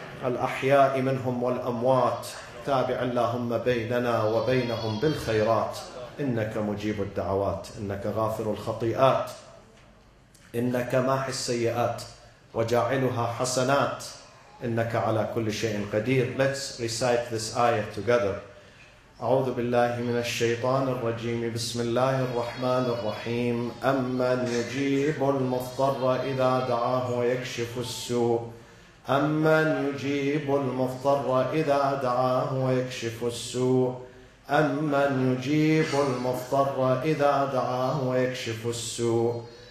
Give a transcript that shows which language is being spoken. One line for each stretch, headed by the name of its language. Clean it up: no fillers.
Arabic: الأحياء منهم والأموات تابع اللهم بيننا وبينهم بالخيرات إنك مجيب الدعوات إنك غافر الخطيئات إنك ماحي السيئات وجاعلها حسنات إنك على كل شيء قدير.
English: Let's recite this ayah together.
Arabic: أعوذ بالله من الشيطان الرجيم بسم الله الرحمن الرحيم أمن يجيب المضطر إذا دعاه ويكشف السوء أمن يجيب المضطر إذا دعاه ويكشف السوء أمن يجيب المضطر إذا دعاه ويكشف السوء